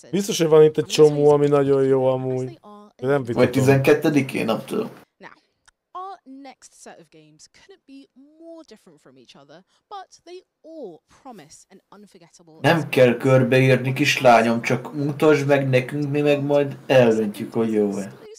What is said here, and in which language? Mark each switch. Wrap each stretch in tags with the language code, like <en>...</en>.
<hu>Biztos, hogy van itt egy csomó, ami nagyon jó amúgy. Nem vitatom. Vagy 12-én, nem tudom.</hu> <en>Next set of games couldn't be more different from each other, but they all promise an unforgettable.</en> <hu>Nem kell körbeírni, kislányom, csak mutasd meg nekünk, mi meg majd eldöntjük, hogy jó-e.</hu>